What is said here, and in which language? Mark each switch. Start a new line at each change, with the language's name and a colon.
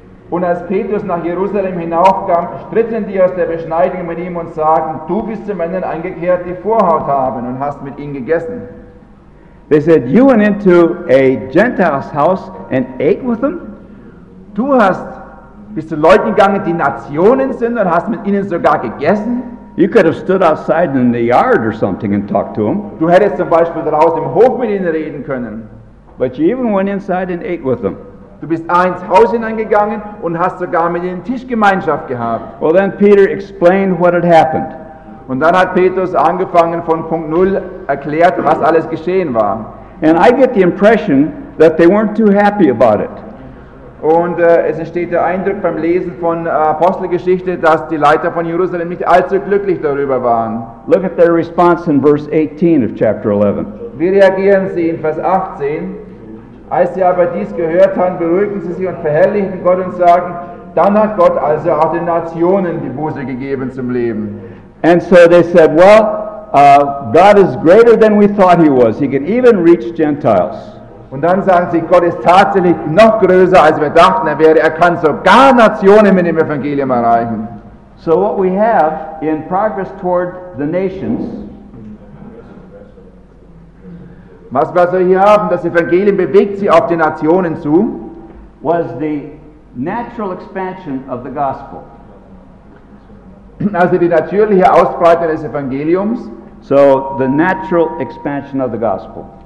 German: Und als Petrus nach Jerusalem hinaufkam, stritten die aus der Beschneidung mit ihm und sagten, du bist zu Männern eingekehrt, die Vorhaut haben und hast mit ihnen gegessen.
English: They said, you went into a Gentile's house and ate with them?
German: Du hast bist zu Leuten gegangen, die Nationen sind und hast mit ihnen sogar gegessen?
English: You could have stood outside in the yard or something and talked to him.
German: Du hättest zum Beispiel draußen im Hof mit ihnen reden können.
English: But you even went inside and ate with them.
German: Du bist ins Haus hineingegangen und hast sogar mit ihnen Tischgemeinschaft gehabt.
English: Well, then Peter explained what had happened.
German: Und dann hat Petrus angefangen von Punkt Null erklärt, was alles geschehen war.
English: And I get the impression that they weren't too happy about it.
German: Und es entsteht der Eindruck beim Lesen von Apostelgeschichte, dass die Leiter von Jerusalem nicht allzu glücklich darüber waren.
English: Look at their response in verse 18 of chapter 11.
German: Wie reagieren sie in Vers 18? Als sie aber dies gehört haben, beruhigten sie sich und verherrlichten Gott und sagen, dann hat Gott also auch den Nationen die Buße gegeben zum Leben.
English: And so they said, well, God is greater than we thought he was. He can even reach Gentiles.
German: Und dann sagen sie, Gott ist tatsächlich noch größer, als wir dachten, er wäre. Er kann sogar Nationen mit dem Evangelium erreichen.
English: So what we have in progress toward the nations,
German: was wir also hier haben, das Evangelium bewegt sich auf die Nationen zu,
English: was the natural expansion of the gospel.
German: Also die natürliche Ausbreitung des Evangeliums.
English: So the natural expansion of the gospel.